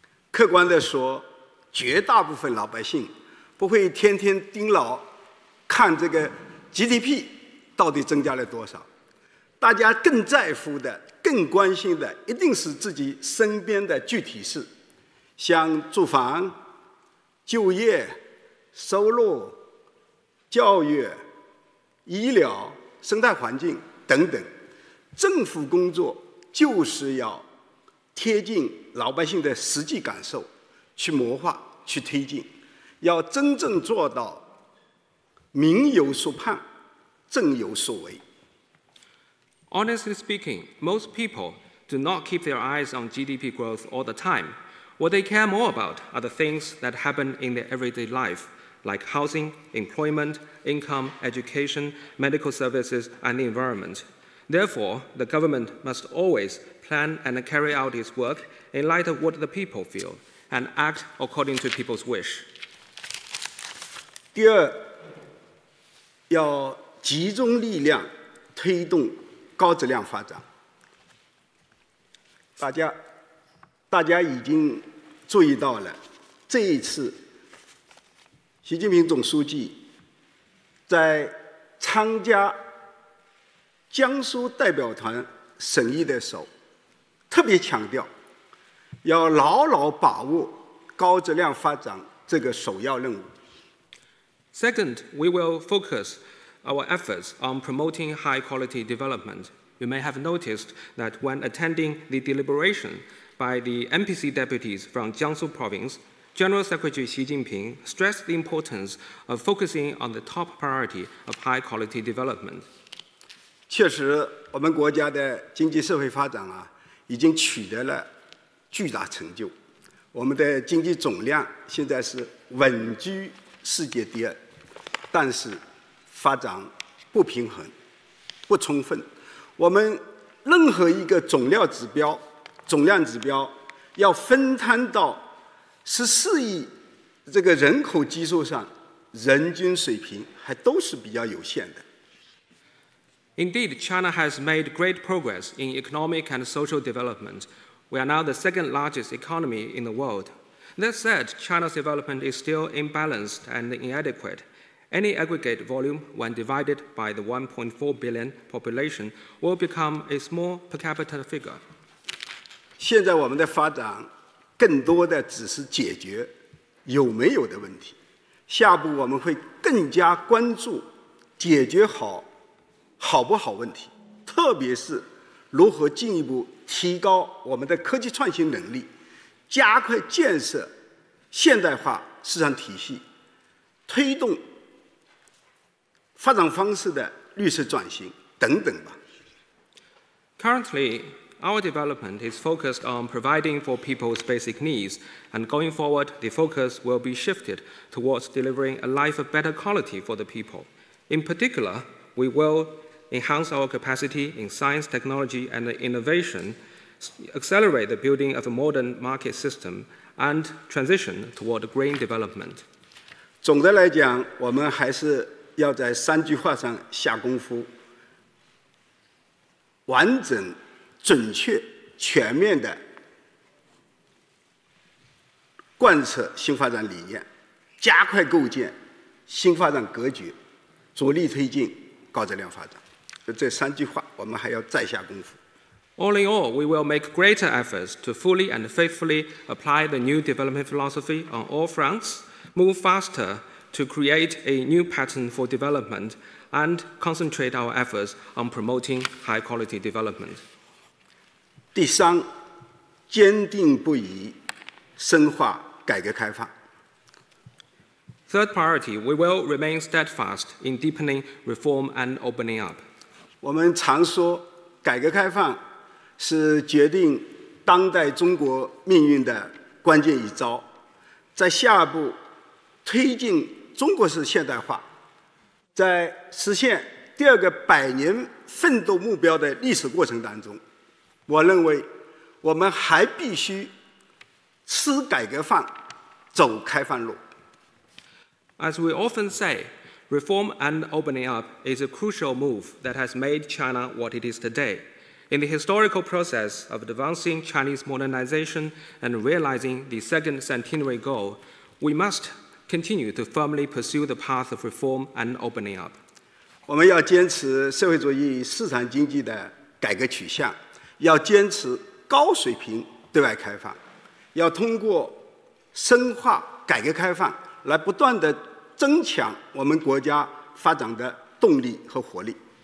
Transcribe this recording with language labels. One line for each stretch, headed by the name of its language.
Chinese: 客观地说，绝大部分老百姓不会天天盯牢看这个 GDP 到底增加了多少，大家更在乎的、更关心的一定是自己身边的具体事，像住房、就业、收入、教育、医疗、生态环境等等。政府工作就是要贴近老百姓的实际感受，去谋划、去推进。要真正做到民有所盼，政有所为。
English: Honestly speaking, most people do not keep their eyes on GDP growth all the time. What they care more about are the things that happen in their everyday life, like housing, employment, income, education, medical services, and the environment. Therefore, the government must always plan and carry out its work in light of what the people feel and act according to people's wish.
Chinese: 第二，要集中力量推动高质量发展。大家已经注意到了，这一次习近平总书记在参加江苏代表团审议的时候，特别强调要牢牢把握高质量发展这个首要任务。
English: Second, we will focus our efforts on promoting high quality development. You may have noticed that when attending the deliberation by the MPC deputies from Jiangsu province, General Secretary Xi Jinping stressed the importance of focusing on the top priority of high quality development.
Chinese: 确实，我们国家的经济社会发展啊，已经取得了巨大成就。我们的经济总量现在是稳居世界第二，但是发展不平衡、不充分。我们任何一个总量指标要分摊到14亿这个人口基数上，人均水平还都是比较有限的。
English: Indeed, China has made great progress in economic and social development. We are now the second largest economy in the world. That said, China's development is still imbalanced and inadequate. Any aggregate volume, when divided by the 1.4 billion population, will become a small per capita figure.
Chinese: 现在我们的发展更多的只是解决有没有的问题。下步我们会更加关注解决好好不好问题，特别是如何进一步提高我们的科技创新能力，加快建设现代化市场体系，推动发展方式的绿色转型等等吧。
English: Currently, our development is focused on providing for people's basic needs, and going forward, the focus will be shifted towards delivering a life of better quality for the people. In particular, we willenhance our capacity in science, technology, and innovation, accelerate the building of a modern market system, and transition toward green development.
Chinese: 总的来讲，我们还是要在三句话上下功夫，完整、准确、全面地贯彻新发展理念，加快构建新发展格局，着力推进高质量发展。这三句话我们还要再下功夫。
English: All in all, we will make greater efforts to fully and faithfully apply the new development philosophy on all fronts, move faster to create a new pattern for development, and concentrate our efforts on promoting high quality development.
Chinese: 第三，坚定不移深化改革开放。
English: Third priority, we will remain steadfast in deepening reform and opening up.
Chinese: 我们常说改革开放是决定当代中国命运的关键一招，在下一步推进中国式现代化，在实现第二个百年奋斗目标的历史过程当中，我认为我们还必须吃改革饭，走开放路。
English: As we often sayReform and opening up is a crucial move that has made China what it is today. In the historical process of advancing Chinese modernization and realizing the second centenary goal, we must continue to firmly pursue the path of reform and opening up.
Chinese: 我们要坚持社会主义市场经济的改革取向，要坚持高水平对外开放，要通过深化改革开放来不断地增强我们国家发展的动力和活力。